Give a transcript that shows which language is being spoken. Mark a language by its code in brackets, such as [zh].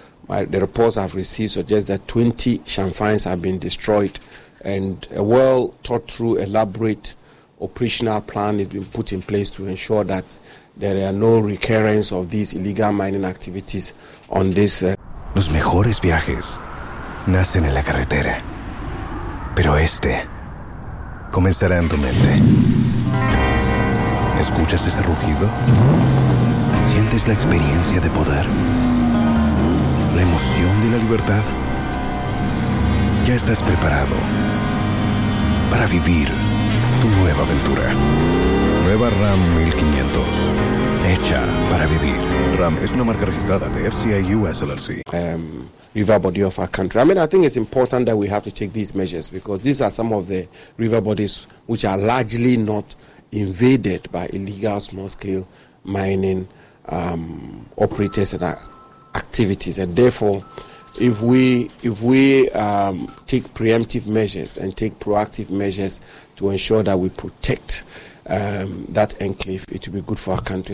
[en] The reports I've received suggest that 20 chamfines have been destroyed, and a well thought through, elaborate operational plan has been put in place to ensure that there are no recurrence of these illegal mining activities on this. [es] Los mejores viajes nacen en la carretera, pero este comenzará en tu mente. ¿Escuchas ese rugido? ¿Sientes la experiencia de poder? ¿La emoción de la libertad? Ya estás preparado para vivir tu nueva aventura. Nueva Ram 1500. Hecha para vivir. Ram es una marca registrada de FCA US LLC. [en] River body of our country. I mean, I think it's important that we have to take these measures, because these are some of the river bodies which are largely not invaded by illegal small-scale mining operators and activities. And therefore, if we take preemptive measures and take proactive measures to ensure that we protect that enclave, it will be good for our country.